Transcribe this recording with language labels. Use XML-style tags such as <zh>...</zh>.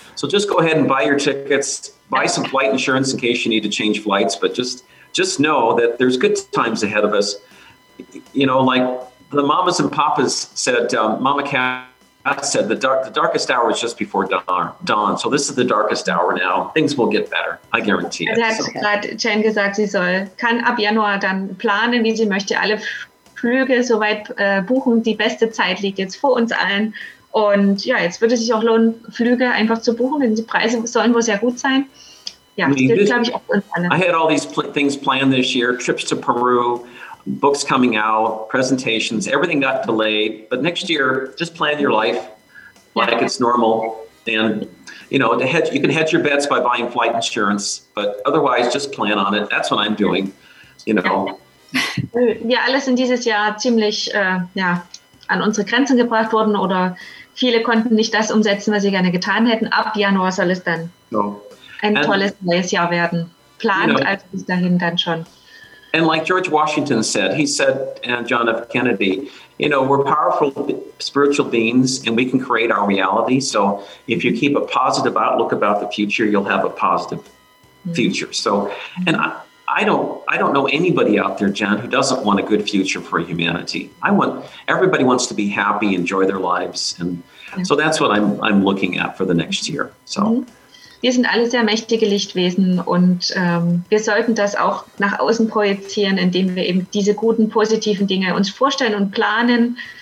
<en>So just go ahead and buy your tickets, buy some flight insurance in case you need to change flights, but just know that there's good times ahead of us. You know, like the mamas and papas said, Mama Cat said, the darkest hour is just before dawn. So this is the darkest hour now. Things will get better, I guarantee it.</en> <de>Jen gesagt, sie soll, kann ab Januar dann planen, wie sie möchte, alle Flüge soweit buchen. Die beste Zeit liegt jetzt vor uns allen. Und ja, jetzt würde es sich auch lohnen, Flüge einfach zu buchen, denn die Preise sollen wohl sehr gut sein. Ja, das glaube ich auch für uns alle.</de> <en>I had all these things planned this year, trips to Peru, books coming out, presentations, everything got delayed. But next year, just plan your life like it's normal. And, you know, you can hedge your bets by buying flight insurance, but otherwise just plan on it. That's what I'm doing, you know.</en> <de>Wir alle sind dieses Jahr ziemlich an unsere Grenzen gebracht worden oder viele konnten nicht das umsetzen, was sie gerne getan hätten. Ab Januar soll es dann tolles neues Jahr werden. Plant also bis dahin dann schon.</de> <en>And like George Washington said, he said, and John F. Kennedy, you know, we're powerful spiritual beings and we can create our reality. So if you keep a positive outlook about the future, you'll have a positive future. So, and I don't know anybody out there, Jen, who doesn't want a good future for humanity. Everybody wants to be happy, enjoy their lives. And so that's what I'm looking at for the next year. So.</en> <de>Wir sind alle sehr mächtige Lichtwesen und wir sollten das auch nach außen projizieren, indem wir eben diese guten, positiven Dinge uns vorstellen und planen.</de>